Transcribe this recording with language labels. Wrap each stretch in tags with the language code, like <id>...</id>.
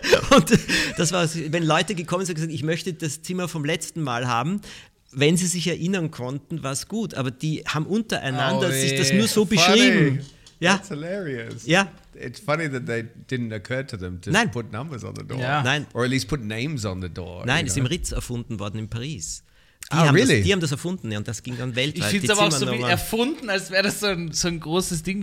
<de>Und das war, wenn Leute gekommen sind und gesagt, ich möchte das Zimmer vom letzten Mal haben, wenn sie sich erinnern konnten, war es gut. Aber die haben untereinander sich das nur so beschrieben.</de> <en>Funny. Ja. That's hilarious.</en> <de>Ja.</de> <en>It's funny that they didn't occur to them to put numbers on the door. Yeah. Nein. Or at least put names on the door.</en> <de>Nein, ist im Ritz erfunden worden in Paris.</de> <en>Really?</en> <de>Die haben das erfunden, ja, und das ging dann weltweit. Ich finde es aber auch so wie erfunden, als wäre das so ein großes Ding.</de>